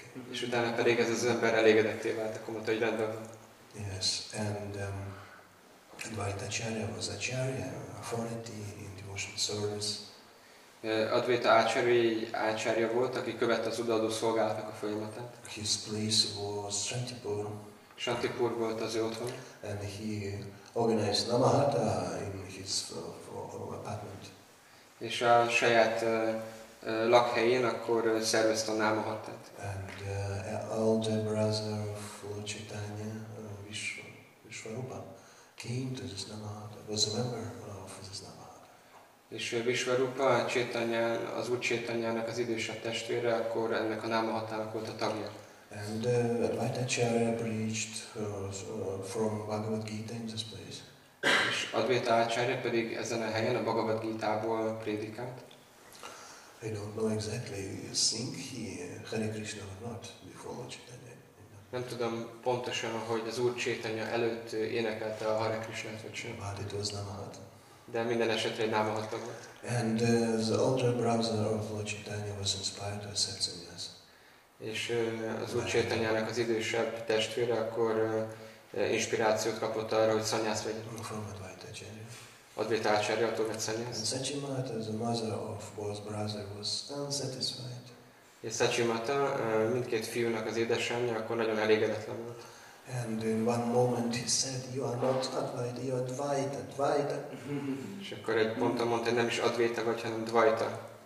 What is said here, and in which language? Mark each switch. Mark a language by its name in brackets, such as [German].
[Hungarian] És utána pedig ez az ember elégedetté vált, akkor mondta, hogy rendben van. [English] Yes, and Advaita Acharya was Acharya, authority in devotional service. [Hungarian] Advaita Acharya volt, aki követte az odaadó szolgálatnak a folyamatát. [English] His place was Shantipur. [Hungarian] Shantipur volt az ő otthon. [English] And he organized Namahata in his apartment. [Hungarian] És a saját lakhelyén akkor szervezte a Namahatát. [English] And older brother of Lord Chaitanya, Vishwarupa, came to this Namahata, was a member of this Namahata. [Hungarian] És Vishwarupa, az Úr Chaitanyának az idősebb testvére, akkor ennek a Namahatának volt a tagja. [English] And Advaita Acharya preached from Bhagavad Gita in this place. [Hungarian] És Advaita Acharya pedig ezen a helyen a Bhagavad Gita-ból prédikált. [English] I don't know exactly, think he Hare Krishna or not before Lord Chaitanya. [Hungarian] Nem tudom pontosan, hogy az Úr Chaitanya előtt énekelte a Hare Krishna-t, vagy sem. [English] But it was Namahata. [Hungarian] De minden esetre egy Namahata volt. [English] And the older brother of Lord Chaitanya was inspired to accept sannyas. [Hungarian] És az Úr Chaitanyának az idősebb testvére akkor inspirációt kapott arra, hogy szanyász legyen. [English] From Advaita Acharya. [Hungarian] Advaita Acharyától vett szanyász. [English] And Sachimata, the mother of both brothers, was unsatisfied. [Hungarian] És Sachimata, mindkét fiúnak az édesanyja, akkor nagyon elégedetlen volt. [English] And in one moment he said, you are not Advaita, you are Dvaita, Dvaita. [Hungarian] És akkor egy ponton mondta, hogy nem is Advaita vagy, hanem Dvaita.